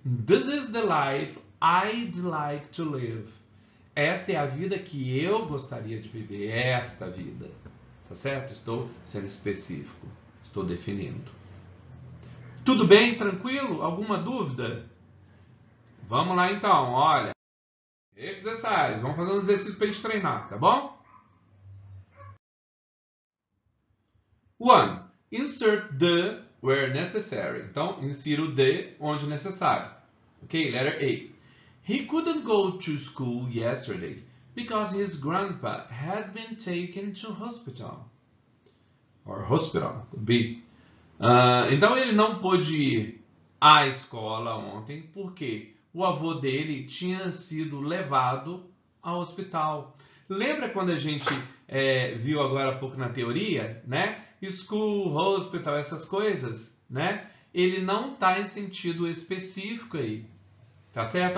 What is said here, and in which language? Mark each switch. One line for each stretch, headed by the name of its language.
English: This is the life I'd like to live.
Portuguese: Esta é a vida que eu gostaria de viver. Esta vida. Tá certo? Estou sendo específico. Estou definindo. Tudo bem? Tranquilo? Alguma dúvida? Vamos lá então, olha. Exercise, vamos fazer uns exercícios para a gente treinar, tá bom?
English: 1. Insert the where necessary.
Portuguese: Então, insira o the onde necessário. Ok, letter A.
English: He couldn't go to school yesterday because his grandpa had been taken to hospital. Or hospital, could be.
Portuguese: Então, ele não pôde ir à escola ontem, por quê? O avô dele tinha sido levado ao hospital. Lembra quando a gente viu agora há pouco na teoria, né? School, hospital, essas coisas, né? Ele não está em sentido específico aí, tá certo?